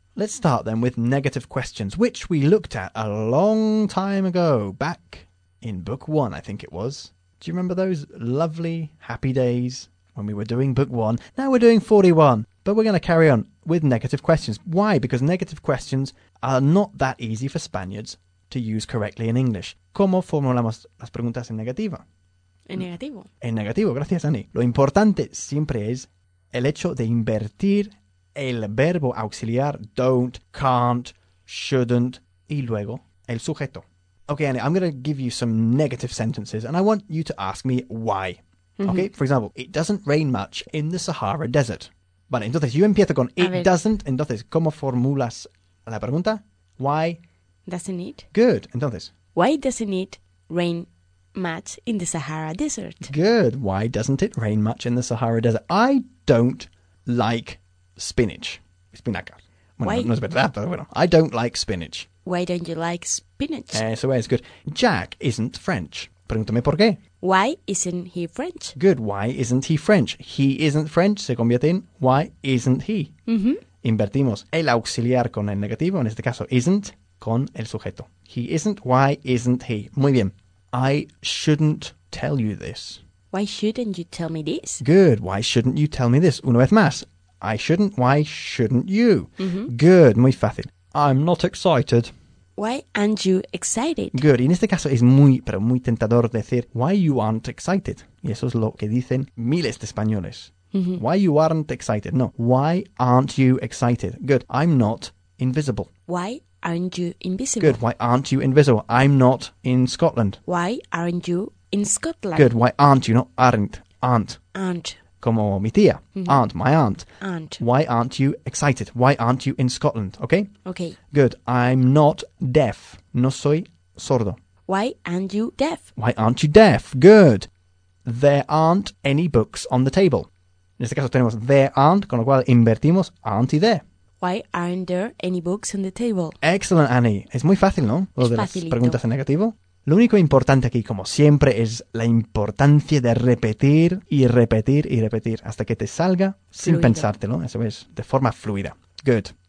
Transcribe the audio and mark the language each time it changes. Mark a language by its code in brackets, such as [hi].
[en] Let's start then with negative questions, which we looked at a long time ago, back in book one, I think it was. Do you remember those lovely, happy days when we were doing book one? Now we're doing 41, but we're going to carry on with negative questions. Why? Because negative questions are not that easy for Spaniards to use correctly in English. [es] ¿Cómo formulamos las preguntas en negativa? En negativo. En negativo, gracias, Annie. Lo importante siempre es el hecho de invertir el verbo auxiliar, don't, can't, shouldn't, y luego el sujeto. [en] Okay, Annie, I'm going to give you some negative sentences, and I want you to ask me why. Mm-hmm. Okay, for example, it doesn't rain much in the Sahara Desert. [es] Vale, entonces yo empiezo con [en] it doesn't. [es] Entonces, ¿cómo formulas la pregunta? [en] Why? Doesn't it? Good, [es] entonces. [en] Why doesn't it rain much in the Sahara Desert? Good, why doesn't it rain much in the Sahara Desert? I don't like spinach. Espinaca. [es] Bueno, no es verdad, pero bueno. [en] I don't like spinach. Why don't you like spinach? [es] Eso es, [en] good. Jack isn't French. [es] Pregúntame por qué. [en] Why isn't he French? Good. Why isn't he French? He isn't French. [es] Se convierte en [en] why isn't he? Mm-hmm. [es] Invertimos el auxiliar con el negativo, en este caso isn't, con el sujeto. [en] He isn't. Why isn't he? [es] Muy bien. [en] I shouldn't tell you this. Why shouldn't you tell me this? Good. Why shouldn't you tell me this? [es] Una vez más. [en] I shouldn't. Why shouldn't you? Mm-hmm. Good. [es] Muy fácil. [en] I'm not excited. Why aren't you excited? Good. [es] Y en este caso es muy, pero muy tentador decir, [en] why you aren't excited? [es] Y eso es lo que dicen miles de españoles. Mm-hmm. [en] Why you aren't excited? No. Why aren't you excited? Good. I'm not invisible. Why aren't you invisible? Good. Why aren't you invisible? I'm not in Scotland. Why aren't you in Scotland? Good. Why aren't you? Not aren't. Aren't. Aren't. [es] Como mi tía. Mm-hmm. [en] Aunt, my aunt. Aunt. Why aren't you excited? Why aren't you in Scotland? Okay? Okay. Good. I'm not deaf. [es] No soy sordo. [en] Why aren't you deaf? Why aren't you deaf? Good. There aren't any books on the table. [es] En este caso tenemos [en] there aren't, [es] con lo cual invertimos aren't y there. [en] Why aren't there any books on the table? Excellent, [es] Annie. Es muy fácil, ¿no? Lo es de facilito. Las preguntas en negativo. Lo único importante aquí, como siempre, es la importancia de repetir y repetir y repetir hasta que te salga sin fluido. Pensártelo. Eso es, de forma fluida. [en] Good.